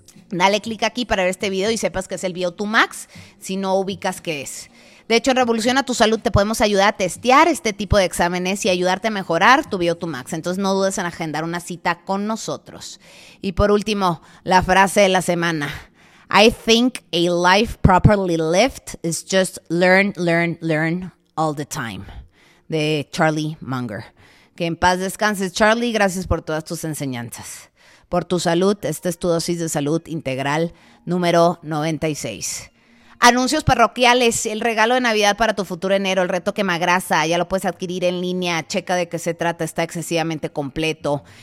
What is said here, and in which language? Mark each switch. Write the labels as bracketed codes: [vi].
[es] Dale clic aquí para ver este video y sepas qué es el BioTumax si no ubicas qué es. De hecho, en Revolución a tu Salud te podemos ayudar a testear este tipo de exámenes y ayudarte a mejorar tu Biotumax. Entonces, no dudes en agendar una cita con nosotros. Y por último, la frase de la semana. [en] I think a life properly lived is just learn, learn, learn all the time. [es] De Charlie Munger. Que en paz descanses, Charlie. Gracias por todas tus enseñanzas. Por tu salud, esta es tu dosis de salud integral número 96. Anuncios parroquiales, el regalo de Navidad para tu futuro enero, el reto quemagrasa, ya lo puedes adquirir en línea, checa de qué se trata, está excesivamente completo.